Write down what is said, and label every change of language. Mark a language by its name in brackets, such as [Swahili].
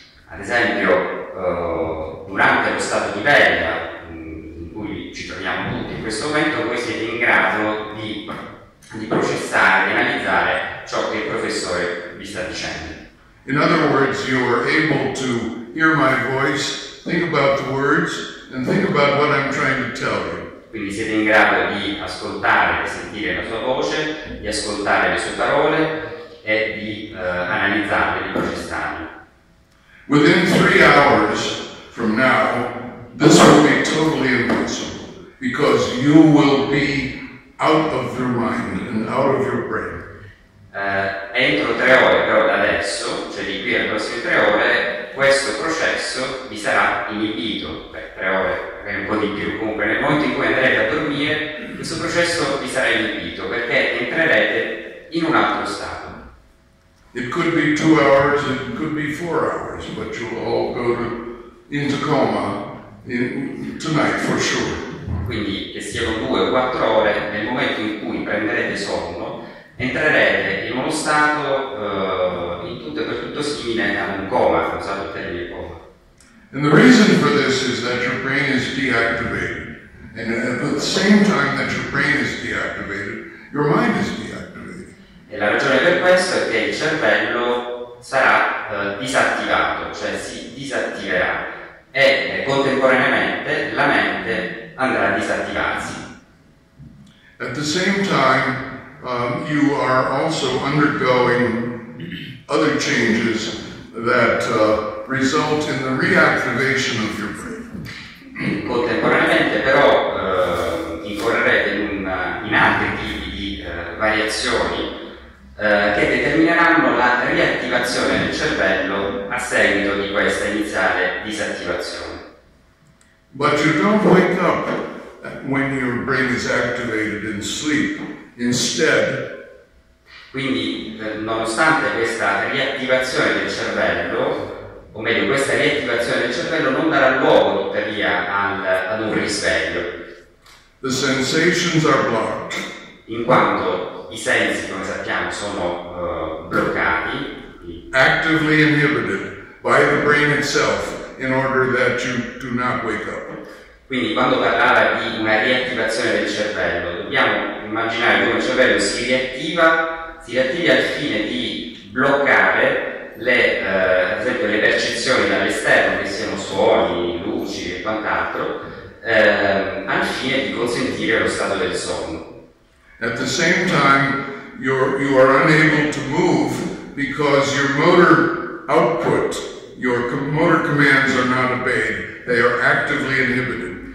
[Italian] Ad esempio, durante lo stato di veglia, ci troviamo tutti in questo momento, voi siete in grado di processare, di analizzare ciò che il professore vi sta dicendo. [English] In other words, you are able to hear my voice, think about the words, and think about what I'm trying to tell you. [Italian] Quindi siete in grado di ascoltare, di sentire la sua voce, di ascoltare le sue parole e di analizzarle, di processarle. [English] Within 3 hours from now, this will be totally impossible. Because you will be out of your mind and out of your brain. [Italian] Entro 3 ore, però da adesso, cioè di qui alle prossime 3 ore, questo processo vi sarà inibito. Beh, 3 ore, magari un po' di più. Comunque, nel momento in cui andrete a dormire, questo processo vi sarà inibito perché entrerete in un altro stato. [English] It could be 2 hours, it could be 4 hours, but you'll all go into coma tonight for sure. [Italian] Quindi che siano 2 o 4 ore, nel momento in cui prenderete sonno, entrerete in uno stato in tutto e per tutto simile a un coma, usato il termine coma. [English] And the reason for this is that your brain is deactivated. And at the same time that your brain is deactivated, your mind is deactivated. [Italian] E la ragione per questo è che il cervello sarà disattivato, cioè si disattiverà, e contemporaneamente la mente andrà a disattivarsi. [English] At the same time, you are also undergoing other changes that result in the reactivation of your brain. [Italian] Contemporaneamente però incorrerete in altri tipi di variazioni che determineranno la riattivazione del cervello a seguito di questa iniziale disattivazione. [English] But you don't wake up when your brain is activated in sleep. Instead, [Italian] quindi nonostante questa riattivazione del cervello, o meglio questa riattivazione del cervello non darà luogo tuttavia ad un risveglio. [English] The sensations are blocked. [Italian] In quanto i sensi, come sappiamo, sono bloccati. [English] Actively inhibited by the brain itself in order that you do not wake up. [Italian] Quindi quando parlava di una riattivazione del cervello, dobbiamo immaginare come il cervello si riattiva al fine di bloccare ad esempio le percezioni dall'esterno, che siano suoni, luci e quant'altro, al fine di consentire lo stato del sonno. [English] At the same time, you are unable to move because your motor output, your motor commands are not obeyed, they are actively inhibited.